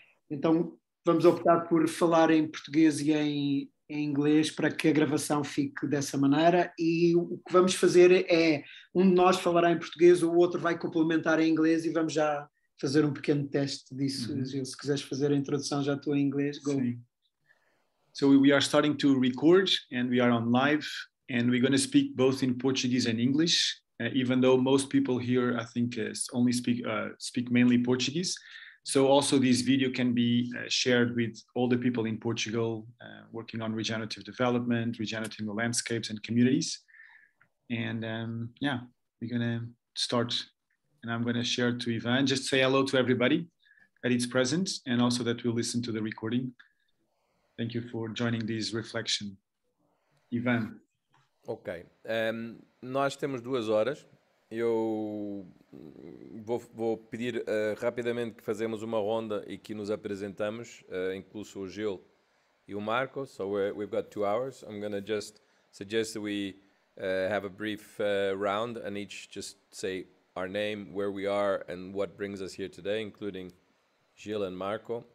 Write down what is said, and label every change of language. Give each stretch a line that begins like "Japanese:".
Portuguese: Então vamos optar por falar em português e em inglês para que a gravação fique dessa maneira. E o que vamos fazer é um de nós falará em português, o outro vai complementar em inglês e vamos já fazer um pequeno teste disso. Se quiseres fazer a introdução, já estou em inglês, go. Sim.
English: So we are starting to record and we are on live and we're going to speak both in Portuguese and English, even though most people here, I think, only speak mainly Portuguese. So also this video can be shared with all the people in Portugal working on regenerative development, regenerative landscapes and communities. And yeah, we're going to start and I'm going to share to Ivan. Just say hello to everybody that it's present and also that we'll listen to the recording. Thank you for joining this reflection. Ivan.
Portuguese: Ok, nós temos 2 horas. Eu vou pedir rapidamente que fazemos uma ronda e que nos apresentamos, incluso o Gil e o Marco.
English: So we've got 2 hours. I'm gonna just suggest that we have a brief round and each just say our name, where we are, and what brings us here today, including Gil and Marco.